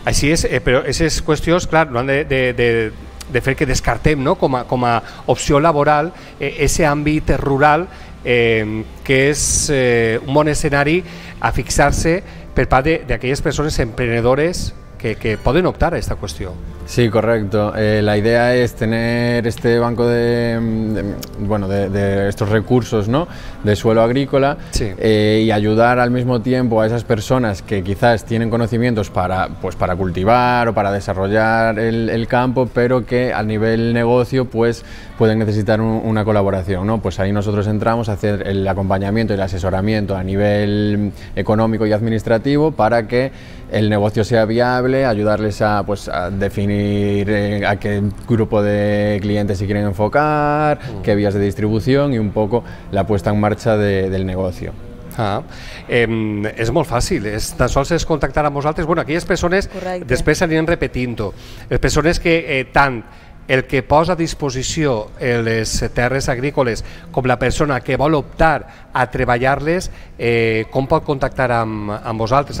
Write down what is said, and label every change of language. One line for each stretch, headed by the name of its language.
Catalan: Així és, però aquestes qüestions, clar, no han de fer que descartem, no? com a opció laboral aquest àmbit rural, que és un bon escenari a fixar-se per part d'aquelles persones emprenedores que poden optar a aquesta qüestió.
Spanish: Sí, correcto. La idea es tener este banco de estos recursos, ¿no? De suelo agrícola, sí. Y ayudar al mismo tiempo a esas personas que quizás tienen conocimientos para cultivar o para desarrollar el campo, pero que a nivel negocio pueden necesitar una colaboración, ¿no? Pues ahí nosotros entramos a hacer el acompañamiento y el asesoramiento a nivel económico y administrativo para que el negocio sea viable, ayudarles a definir a qué grupo de clientes se quieren enfocar, qué vías de distribución y un poco la puesta en marcha del negocio.
Catalan: És molt fàcil, és, tan sols és contactar amb vosaltres. Bueno, aquelles persones, correcte, després s'aniran repetint-ho. Les persones que tant el que posa a disposició les terres agrícoles com la persona que vol optar a treballar-les, com pot contactar amb vosaltres?